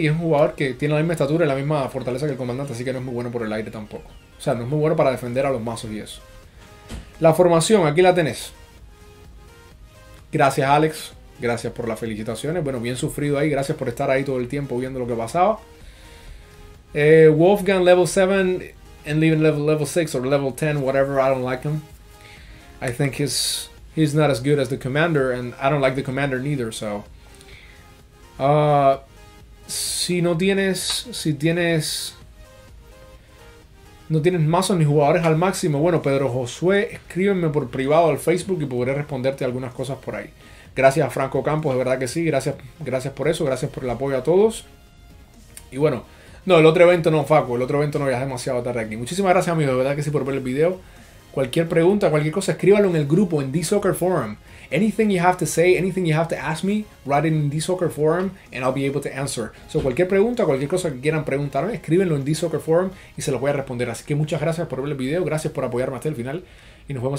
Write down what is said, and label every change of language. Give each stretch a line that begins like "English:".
Spanish: Y es un jugador que tiene la misma estatura y la misma fortaleza que el comandante. Así que no es muy bueno por el aire tampoco. O sea, no es muy bueno para defender a los mazos y eso. La formación, aquí la tenés. Gracias, Alex. Gracias por las felicitaciones. Bueno, bien sufrido ahí. Gracias por estar ahí todo el tiempo viendo lo que pasaba.
English: Wolfgang, level 7... And even level 6 or level 10, whatever, I don't like him. I think he's not as good as the commander, and I don't like the commander neither, so...
Spanish: Si no tienes mazos ni jugadores al máximo, bueno, Pedro Josué, escríbeme por privado al Facebook y podré responderte algunas cosas por ahí. Gracias a Franco Campos, de verdad que sí, gracias por eso, gracias por el apoyo a todos. Y bueno... No, el otro evento no, Facu. El otro evento no, ya es demasiado tarde aquí. Muchísimas gracias, amigos. De verdad que sí, por ver el video. Cualquier pregunta, cualquier cosa, escríbalo en el grupo, en D-Soccer Forum.
English: Anything you have to say, anything you have to ask me, write it in D-Soccer Forum and I'll be able to answer.
Spanish: So, cualquier pregunta, cualquier cosa que quieran preguntarme, escríbenlo en D-Soccer Forum y se los voy a responder. Así que muchas gracias por ver el video. Gracias por apoyarme hasta el final. Y nos vemos en